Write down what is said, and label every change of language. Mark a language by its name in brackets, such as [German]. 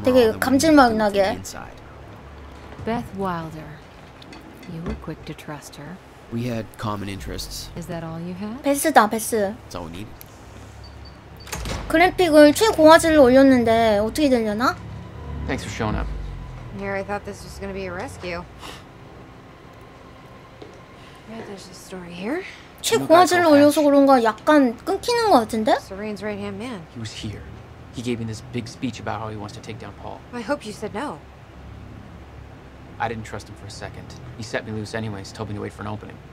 [English] Amaral, then we would have to do it [Korean] 감질막이나게. [English] inside. Beth Wilder. You were quick to trust her. We had common interests. Is that all you had? [Korean] 베스다, 베스. [English] That's all we need. [Korean] 그래픽을 최고화질로 올렸는데 어떻게 되려나? [English] Thanks for showing up. Here, I thought this was gonna be a rescue. Yeah, there's a story here. [Korean] 최고화질로 올려서 그런가 약간 끊기는 것 같은데? [English] Serene's right-hand man. He was here. He gave me this big speech about how he wants to take down Paul. I hope you said no. I didn't trust him for a second. He set me loose anyways, told me to wait for an opening.